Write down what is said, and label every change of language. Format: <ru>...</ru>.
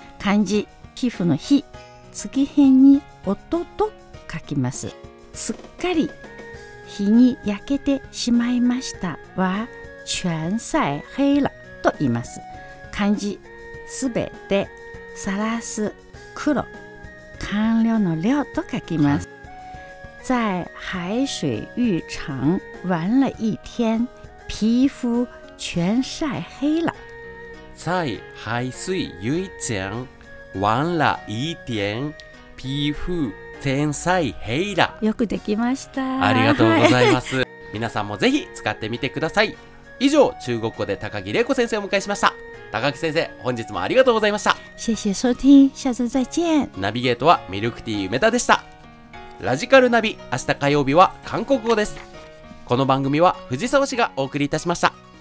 <ja>漢字皮膚の日、月辺に音と書きます。すっかり日に焼けてしまいましたは</ja> <zh>全晒黑了</zh> <ja>と言います。漢字すべてさらす黒、完了の了と書きます。</ja> <zh>在海水浴场玩了一天皮肤全晒黑了。在海水浴场玩了一天皮肤天才ヘイラ、</zh> <ja>よくできました。ありがとうございます、はい、皆さんもぜひ使ってみてください。以上、中国語で高木玲子先生をお迎えしました。高木先生、本日もありがとうございました。</ja> <zh>谢谢收听、下次再见。</zh> <ja>ナビゲートはミルクティー梅田でした。ラジカルナビ、明日火曜日は韓国語です。この番組は藤沢氏がお送りいたしました。</ja>